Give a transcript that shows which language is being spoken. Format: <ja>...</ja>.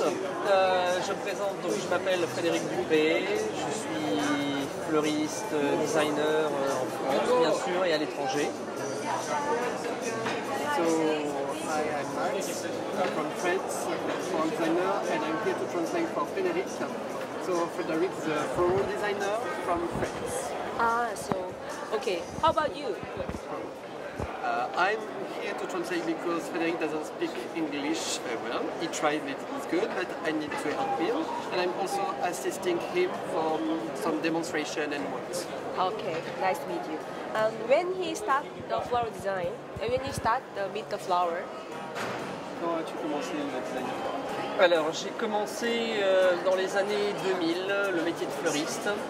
<fr>Je me présente, donc je m'appelle Frédéric Dupré, je suis fleuriste, designer en France bien sûr et à l'étranger.</fr> <en>So hi, I'm Max from France, from designer, and I'm here to translate for Frédéric. So Frédéric is a floral designer from France. Ah, so okay. How about you? I'm here to translate because Frédéric doesn't speak English well. He tried, but it's good, but I need to help him. And I'm also assisting him for some demonstration and works. Okay, nice to meet you. When he start the flower design, when he start to meet the flower?</en> <fr>Comment as-tu commencé le design? Alors, j'ai commencé dans les années 2000, le métier de fleuriste.</fr>